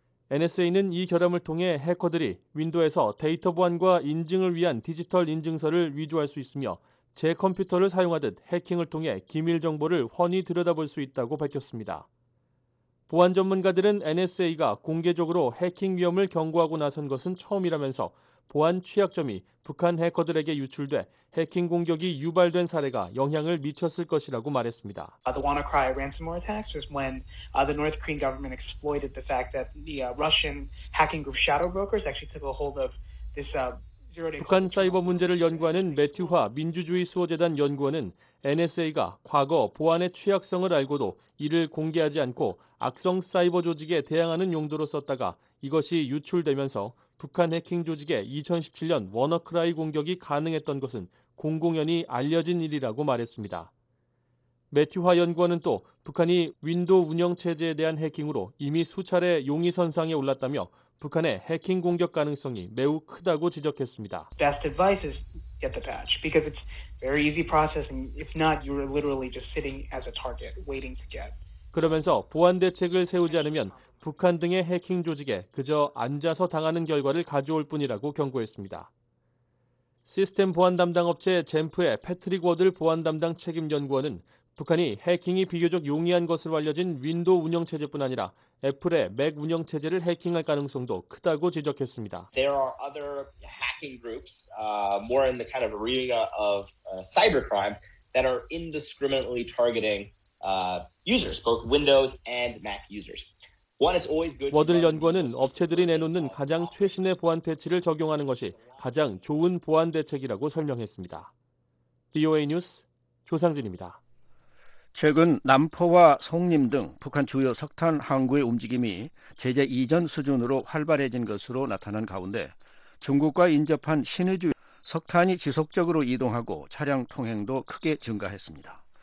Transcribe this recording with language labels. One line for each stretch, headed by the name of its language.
Korean: NSA는 이 결함을 통해 해커들이 윈도우에서 데이터 보안과 인증을 위한 디지털 인증서를 위조할 수 있으며 제 컴퓨터를 사용하듯 해킹을 통해 기밀 정보를 훤히 들여다볼 수 있다고 밝혔습니다. 보안 전문가들은 NSA가 공개적으로 해킹 위험을 경고하고 나선 것은 처음이라면서 보안 취약점이 북한 해커들에게 유출돼 해킹 공격이 유발된 사례가 영향을 미쳤을 것이라고 말했습니다.
English: The WannaCry ransomware attacks was when the North Korean government exploited the fact that the Russian hacking group Shadow Brokers actually took a hold of this
Korean: 북한 사이버 문제를 연구하는 매튜화 민주주의 수호재단 연구원은 NSA가 과거 보안의 취약성을 알고도 이를 공개하지 않고 악성 사이버 조직에 대항하는 용도로 썼다가 이것이 유출되면서 북한 해킹 조직의 2017년 워너크라이 공격이 가능했던 것은 공공연히 알려진 일이라고 말했습니다. 매튜화 연구원은 또 북한이 윈도우 운영체제에 대한 해킹으로 이미 수차례 용의선상에 올랐다며 북한의 해킹 공격 가능성이 매우 크다고 지적했습니다.
English: Best advice is get the patch because it's very easy process and if not you're literally just sitting as a target waiting to get.
Korean: 그러면서 보안 대책을 세우지 않으면 북한 등의 해킹 조직에 그저 앉아서 당하는 결과를 가져올 뿐이라고 경고했습니다. 시스템 보안 담당 업체 젠프의 패트릭 워들 보안 담당 책임 연구원은 북한이 해킹이 비교적 용이한 것으로 알려진 윈도우 운영체제뿐 아니라 애플의 맥 운영체제를 해킹할 가능성도 크다고 지적했습니다.
English: There are other hacking groups, more in the kind of arena of cybercrime, that are indiscriminately targeting users, both Windows and Mac users.
Korean: 워들 연구원은 업체들이 내놓는 가장 최신의 보안 패치를 적용하는 것이 가장 좋은 보안 대책이라고 설명했습니다. VOA 뉴스 조상진입니다. 최근 남포와 송림 등 북한 주요 석탄 항구의 움직임이 제재 이전 수준으로 활발해진 것으로 나타난 가운데 중국과 인접한 신의주 석탄이 지속적으로 이동하고 차량 통행도 크게 증가했습니다.